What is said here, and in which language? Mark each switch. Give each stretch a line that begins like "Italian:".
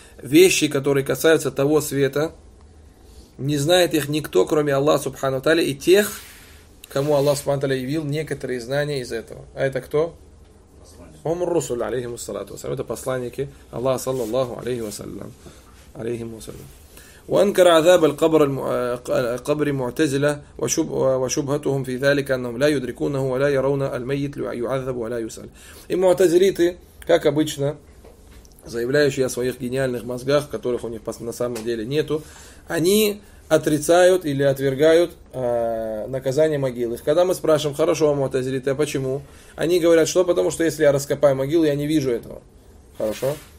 Russian: Вещи, которые касаются того света, не знает их никто, кроме Аллаха Субхану Тааля, и тех, кому Аллах Субхану Тааля явил некоторые знания из этого. А это кто?
Arabic: Омрусуль алейхиму салату вассалям.
Russian: Это посланники Аллаха саллаллаху алейхи вассалям.
Arabic: Алейхиму салям. وأنكر عذاب القبر القبر معتزلة وشبهتهم في ذلك أنهم لا يدركونه ولا يرون الميت يعذب ولا يسأل.
Russian: И муътазилиты, как обычно, заявляющие о своих гениальных мозгах, которых у них на самом деле нету, они отрицают или отвергают наказание могилы. Когда мы спрашиваем, хорошо, муътазилиты, а почему? Они говорят, что? Потому что если я раскопаю могилу, я не вижу этого. Хорошо?